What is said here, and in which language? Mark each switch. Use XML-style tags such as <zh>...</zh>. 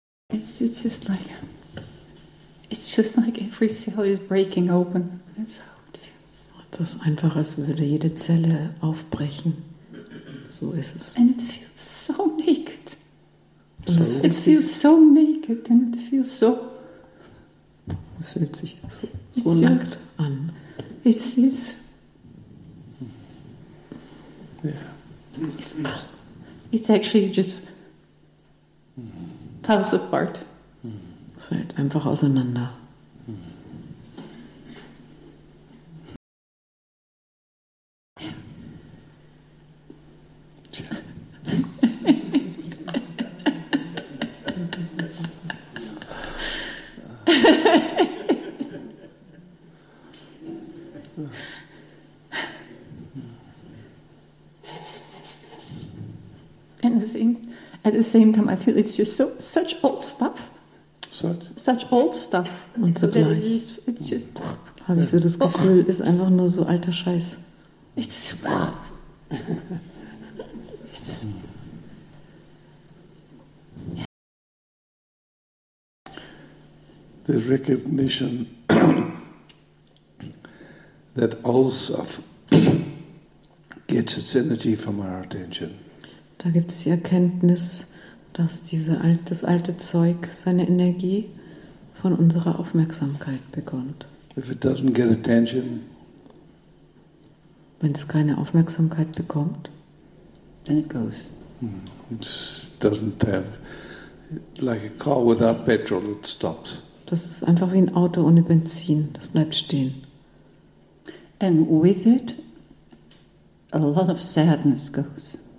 <en>It's just like every cell is breaking open. That's how it feels.</en> <de>Das ist einfach, als würde jede Zelle aufbrechen. So ist es.</de> <en>And it feels so naked. It feels so naked and it feels so.</en> <de>Es fühlt sich so nackt an.</de> <en>It's yeah. It's actually just falls apart. Es fällt einfach auseinander. Same time, I feel it's just so such old stuff. Such old stuff.</en> <de>Und so</de> <en>it's just.</en> <de>Habe ich so das Gefühl, ist einfach nur so alter Scheiß.</de> <en>It's. It's. The recognition that old stuff gets its energy from our attention.</en> <de>Da gibt es die Erkenntnis, dass das alte Zeug seine Energie von unserer Aufmerksamkeit bekommt.</de> <en>If it doesn't get attention,</en> <de>wenn es keine Aufmerksamkeit bekommt,</de> <en>then it goes. It doesn't have, like a car without petrol, it stops. So</en> <de>Das ist einfach wie ein Auto ohne Benzin. Das bleibt stehen.</de> <en>And with it, a lot of sadness goes.</en>